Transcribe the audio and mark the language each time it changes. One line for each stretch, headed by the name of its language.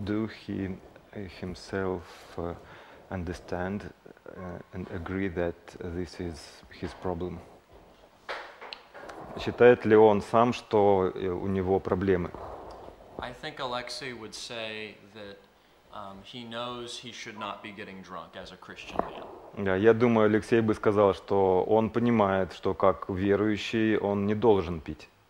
English: Do he himself understand and agree that this is his problem?
Russian: Считает ли он сам, что у него проблемы?
English: I think Alexei would say that he knows he should not be getting drunk as a Christian man.
Russian: Да, я думаю, Алексей бы сказал, что он понимает, что как верующий он не должен пить.